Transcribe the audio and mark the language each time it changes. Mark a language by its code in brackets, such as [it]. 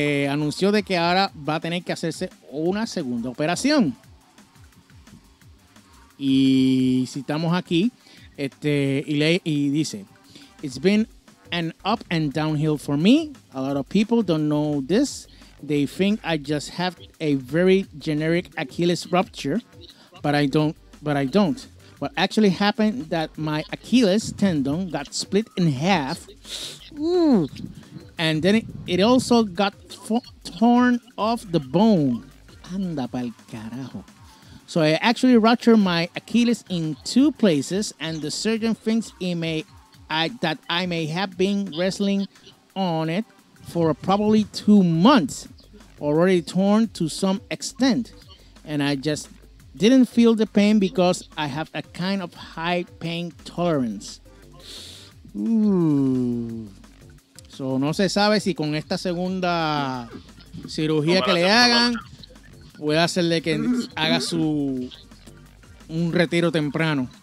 [es] Anunció de que ahora va a tener que hacerse una segunda operación. Y citamos aquí, y dice, [en] it's been an up and downhill for me. A lot of people don't know this, They think I just have a very generic Achilles rupture, but I don't. What actually happened that my Achilles tendon got split in half. Ooh. And then it also got torn off the bone. [es] Anda pa'l carajo. [en] So I actually ruptured my Achilles in two places, and the surgeon thinks I may have been wrestling on it for probably 2 months, already torn to some extent. And I just didn't feel the pain because I have a kind of high pain tolerance. Ooh. [es] So no se sabe si con esta segunda cirugía que le hagan, puede hacerle que haga su un retiro temprano.